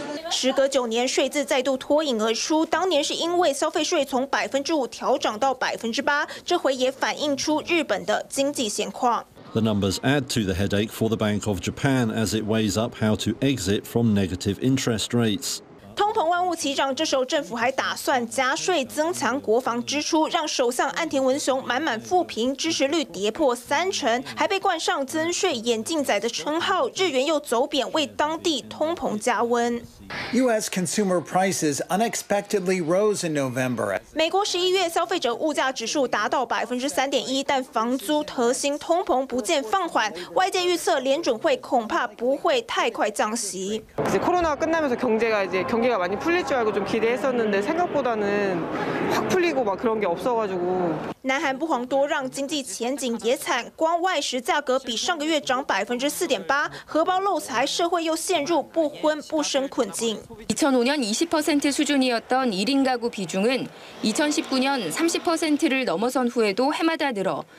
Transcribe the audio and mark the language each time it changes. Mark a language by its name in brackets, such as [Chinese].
[Chinese] 时隔9年，税字再度脱颖而出。当年是因为消费税从5%调涨到8%，这回也反映出日本的经济现况。 [English] The numbers add to the headache for the Bank of Japan as it weighs up how to exit from negative interest rates. [Chinese] 通膨万物齐涨，这时候政府还打算加税增强国防支出，让首相岸田文雄满满负评，支持率跌破30%，还被冠上增税眼镜仔的称号。日元又走贬，为当地通膨加温。 [English] U.S. consumer prices unexpectedly rose in November. [Chinese] 美国11月消费者物价指数达到3.1%，但房租核心通膨不见放缓，外界预测联准会恐怕不会太快降息。 [Korean] 이제 코로나가 끝나면서 경기가 많이 풀릴 줄 알고 좀 기대했었는데 생각보다는 확 풀리고 막 그런 게 없어가지고. [Chinese] 南韩不遑多让，经济前景也惨，光外食价格比上个月涨4.8%，荷包漏财，社会又陷入不婚不生困境。 [Korean] 2005년20%수준이었던1인가구비중은2019년30%를넘어선후에도해마다늘어。